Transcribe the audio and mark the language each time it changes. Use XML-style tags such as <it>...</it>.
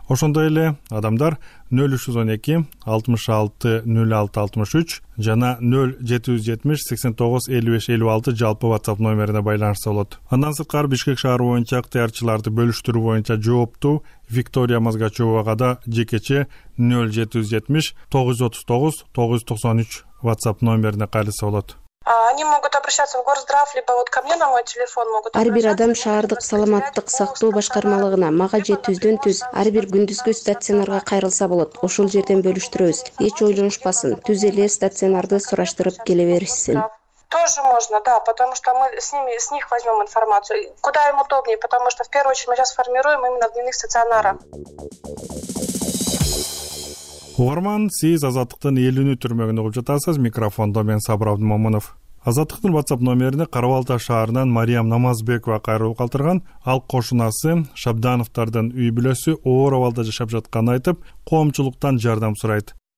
<ky>Ошондой эле адамдар 0312 66 06 63 жана 0770 89 55 56 жалпы WhatsApp номерине байланышса болот. Андан сырткары Бишкек шаары боюнча ыктыярчыларды бөлүштүрүү боюнча жооптуу Виктория Мазгачевага да жекече 0770 939 993 WhatsApp номерине кайрылса болот.</ky> <ru>Они могут обращаться в Горздрав, либо вот ко мне на мой телефон могут</ru> <ky>Ар бир адам шаардык саламаттык сактоо башкармалыгына, мага 700-түз, ар бир күндүзгү стационарга кайрылса болот. Ошол жерден бөлүштүрөбүз. Эч ойлонушпасын, түз эле стационарды сураштырып келе берсин.</ky> <ru>Тоже можно, да, потому что мы с них возьмем информацию. Куда им удобнее, потому что в первую очередь мы сейчас формируем именно в дневных стационарах.</ru> <ky>Угарман, сиз азаттыктын элүүнү түрмөгүн угуп жатасыз. Микрофондо мен Сабыр Абдымомунов. Азаттыктын WhatsApp номерине Кара Балта шаарынан Мариям Намазбекова кайрылып калтырган, ал кошунасы Шабдановтордун үй бүлөсү оор абалда жашап жатканын айтып, коомчулуктан жардам сурайт.</ky>